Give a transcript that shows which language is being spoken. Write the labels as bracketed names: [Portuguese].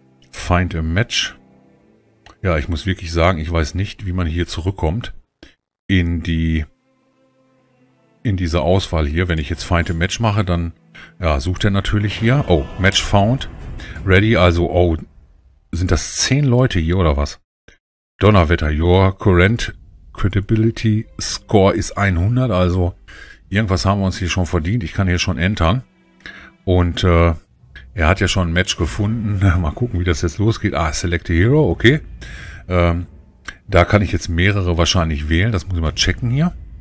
[German] Find a Match. Ja, ich muss wirklich sagen, ich weiß nicht, wie man hier zurückkommt. In diese Auswahl hier. Wenn ich jetzt Find a Match mache, dann... Ja, sucht er natürlich hier. Oh, [English] Match found. Ready, [German] also, oh, sind das 10 Leute hier oder was? [English] Donnerwetter, your current credibility score is 100. [German] Also, irgendwas haben wir uns hier schon verdient. Ich kann hier schon entern. Und er hat ja schon ein Match gefunden. Mal gucken, wie das jetzt losgeht. Ah, [English] select a hero, [German] okay. Da kann ich jetzt mehrere wahrscheinlich wählen. Das muss ich mal checken hier.